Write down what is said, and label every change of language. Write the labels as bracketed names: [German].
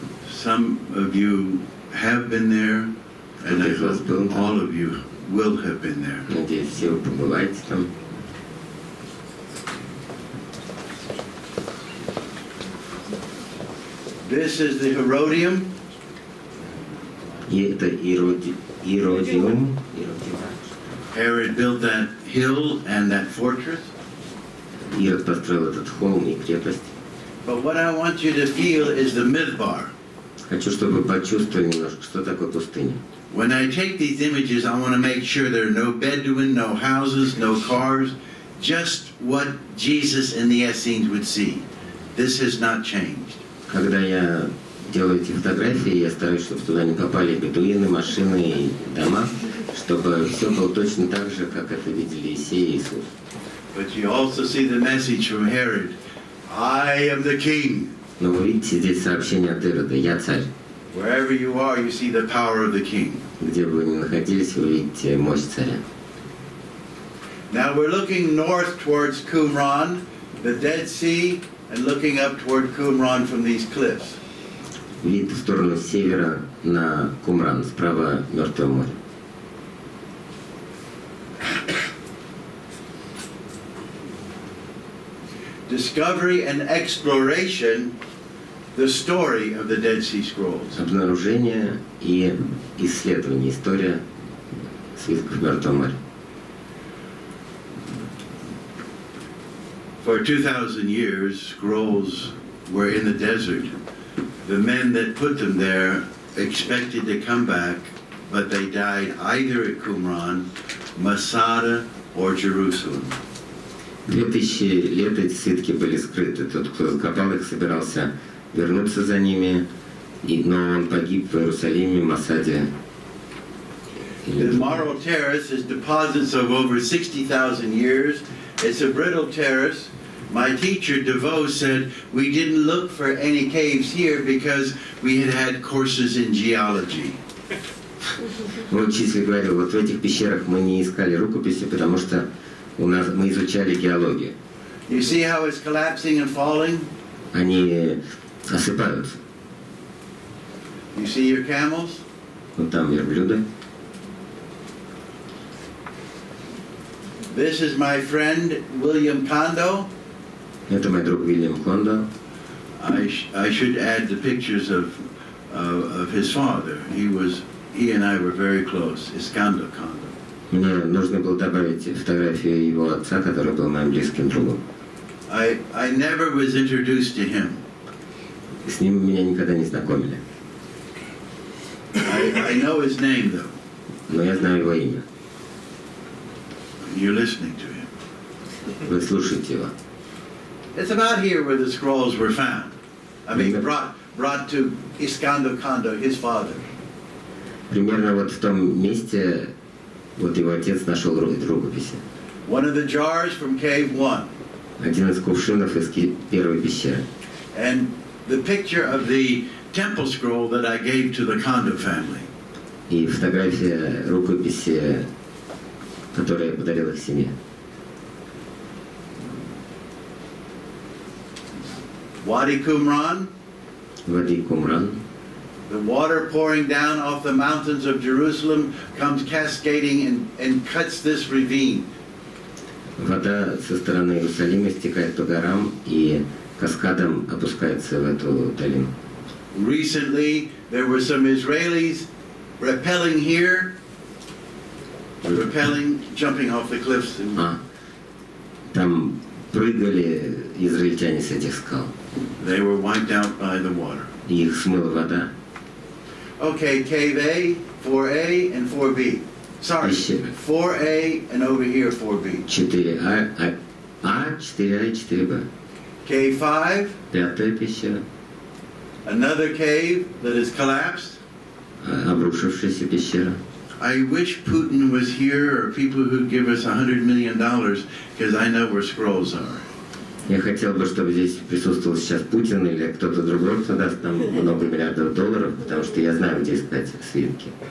[English] Some of you have been there, and I hope all of you will have been there. [Russian] Надеюсь, все вы побываете там. [English] This is the Herodium. [Russian] Это Иродиум. [English] Herod built that hill and that fortress. [Russian] Ирод построил этот холм и крепость. [English] But what I want you to feel is the Midbar. [Russian] Хочу, чтобы вы почувствовали немножко, что такое пустыня. [English] When I take these images, I want to make sure there are no Bedouin, no houses, no cars, just what Jesus in the Essenes would see. This has not changed. [Russian] Когда я делаю эти фотографии, я стараюсь, чтобы туда не попали бедуины, машины и дома, чтобы все было точно так же, как это видели Исей и Иисус. [English] But you also see the message from Herod. I am the king. [Russian] Но вы видите здесь сообщение от Ирода. Я царь. [English] Wherever you are, you see the power of the king. [Russian] Где бы вы ни находились, вы видите мощь царя. [English] Now we're looking north towards Qumran, the Dead Sea, and looking up toward Qumran from these cliffs. [Russian] Вид в сторону севера на Кумран, справа Мертвого моря. [English] Discovery and exploration, the story of the Dead Sea Scrolls. [Russian] Обнаружение и исследование, история свитков Мертвого моря. [English] For 2,000 years, scrolls were in the desert. The men that put them there expected to come back, but they died either at Qumran, Masada, or Jerusalem. [Russian] 2000 лет эти свитки были скрыты. Тот, кто закопал их, собирался вернуться за ними, но он погиб в Иерусалиме, Масаде. [English] The Marl Terrace is deposits of over 60,000 years. It's a brittle terrace. My teacher DeVoe said we didn't look for any caves here because we had had courses in geology. [Russian] Мой учитель говорил, вот в этих пещерах мы не искали рукописи, потому что у нас мы изучали геологию. [English] You see how it's collapsing and falling? [Russian] Они осыпаются. [English] You see your camels? [Russian] Вот там верблюды. [English] This is my friend William Condo. [Russian] Это мой друг Уильям Кондо. [English] I should add the pictures of his father. He and I were very close. Искандо Кондо. [Russian] Мне нужно было добавить фотографию его отца, который был моим близким другом. [English] I never was introduced to him. [Russian] С ним меня никогда не знакомили. [English] I know his name, though. [Russian] Но я знаю его имя. [English] You're listening to him. [Russian] Вы слушаете его. [English] It's about here where the scrolls were found. I mean, brought to Искандо Кондо, his father. [Russian] Примерно вот в том месте. Вот его отец нашел рукописи. [English] One of the jars from cave one. [Russian] Один из кувшинов из первой пещеры. [English] And the picture of the temple scroll that I gave to the Kondo family. [Russian] И фотография рукописи, которую я подарил их семье. [English] Wadi Qumran. Wadi Qumran. The water pouring down off the mountains of Jerusalem comes cascading and cuts this ravine. [Russian] Вода со стороны Иерусалима стекает по горам и каскадом опускается в эту долину. [English] Recently, there were some Israelis rappelling here, rappelling, jumping off the cliffs. [Russian] Там прыгали израильтяне с этих скал. [English] They were wiped out by the water. [Russian] Их смыла вода. [English] Okay, cave A, 4A, and 4B. Sorry, 4A and over here, 4B. 4A, 4a, 4b. Cave 5. [Russian] Пятая пещера. [English] Another cave that has collapsed. [Russian] Обрушившаяся пещера. [English] I wish Putin was here or people who give us $100 million because I know where scrolls are. [Russian] Я хотел бы, чтобы здесь присутствовал сейчас Путин или кто-то другой, кто даст нам много миллиардов долларов, потому что я знаю, где искать свитки.